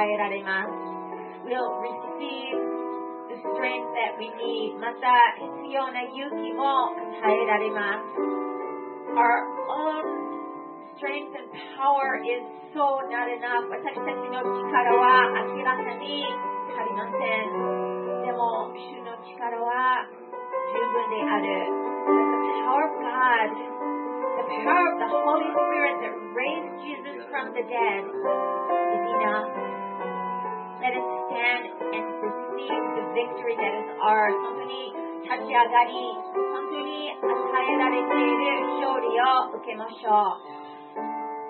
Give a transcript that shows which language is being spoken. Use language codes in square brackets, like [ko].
[en] We'll receive the strength that we need. [ja] また必要な勇気も与えられます。 [en] Our own strength and power is so not enough. [ja] 私たちの力は明らかに足りません。でも主の力は十分である。 [en] The power of God, the power of the Holy Spirit that raised Jesus from the dead is enough. Let us stand and receive the victory that is ours. [ja] 本当に立ち上がり、本当に与えられている勝利を受けましょう。